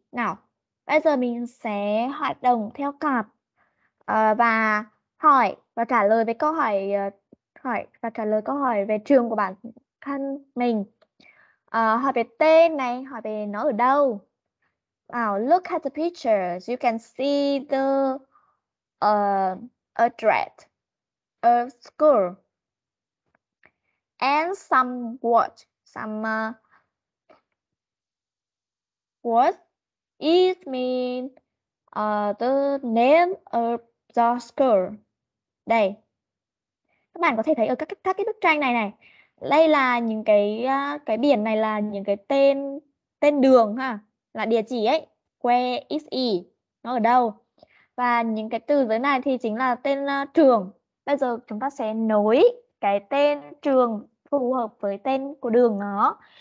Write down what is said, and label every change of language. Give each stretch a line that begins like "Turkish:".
Vietnamese: Nào, bây giờ mình sẽ hoạt động theo cặp và hỏi và trả lời về câu hỏi hỏi và trả lời câu hỏi về trường của bản thân mình. Hỏi về tên này, hỏi về nó ở đâu.
English: Now, look at the pictures. You can see the address of school and some words. Some what it mean the name of the school.
Vietnamese: Đây, các bạn có thể thấy ở các cái bức tranh này này. Đây là những cái biển này là những cái tên đường ha, là địa chỉ ấy,
English: where is it,
Vietnamese: nó ở đâu. Và những cái từ dưới này thì chính là tên trường. Bây giờ chúng ta sẽ nối cái tên trường phù hợp với tên của đường nó.